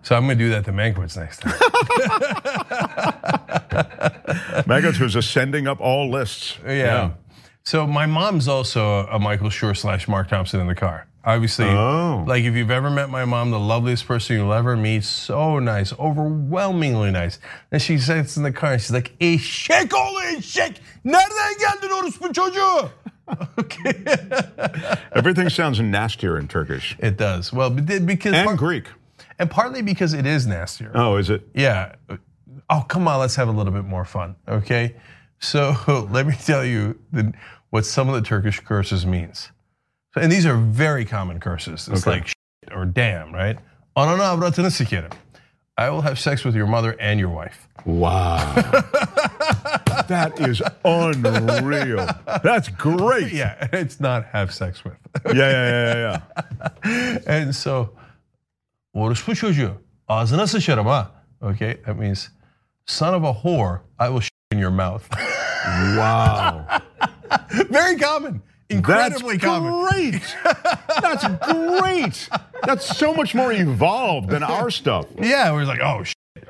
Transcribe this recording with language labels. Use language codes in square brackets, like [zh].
[en] So I'm going to do that to Mankiewicz next time. Mankiewicz was ascending up all lists. Yeah. So my mom's also a Michael Schur / Mark Thompson in the car. Obviously, like if you've ever met my mom, the loveliest person you'll ever meet, so nice, overwhelmingly nice. And she sits in the car and she's like, [tr] eşek oğlu eşek, nereden geldin orospu çocuğu? [en] Okay. Everything sounds nastier in Turkish. It does. Well, because and Greek. And partly because it is nastier. Oh, is it? Yeah. Oh, come on, let's have a little bit more fun, okay? So let me tell you what some of the Turkish curses means. And these are very common curses. It's like shit or damn, right? [tr] Ananı avratını sikerim. [en] I will have sex with your mother and your wife. Wow. That is unreal. That's great. Yeah, it's not have sex with. Yeah. And so, [tr] orospu çocuğu, ağzına sıçarım ha. [en] Okay, that means son of a whore, I will shit in your mouth. Wow. Very common. Incredibly common. Great. That's great. That's so much more evolved than our stuff. Yeah, we're like, oh, shit.